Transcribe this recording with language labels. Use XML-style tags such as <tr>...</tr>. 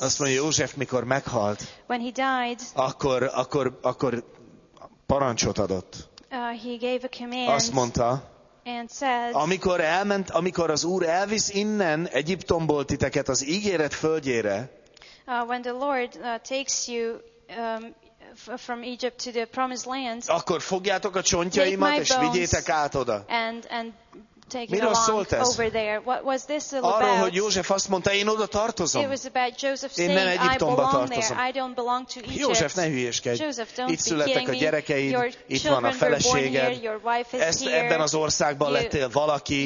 <hu>azt mondja József, mikor meghalt,</hu> <en>when he died,</en> <hu>akkor parancsot adott.</hu> <en>He gave a command,</en> <hu>azt mondta,</hu> <en>and says,</en> <hu>amikor elment, amikor az Úr elvisz innen Egyiptomból titeket az ígéret földjére,</hu> <en>when the Lord takes you from Egypt to the promised land,</en> <hu>akkor fogjátok a csontjaimat és vigyétek át oda.</hu> <en>And take</en> <hu>miről</hu> <en>it along</en> <hu>szólt ez?</hu> <en>Over there. What was this all about?</en> <hu>Arról, hogy József azt mondta, én oda tartozom.</hu> <en>It was about Joseph saying,</en> <hu>én nem Egyiptomba tartozom.</hu> <en>I don't belong to Egypt.</en> <hu>József, ne hülyeskedj.</hu> <en>Joseph, don't</en> <hu>itt születtek a gyerekeid, itt van a feleséged. Ezt ebben az országban lettél valaki.</hu>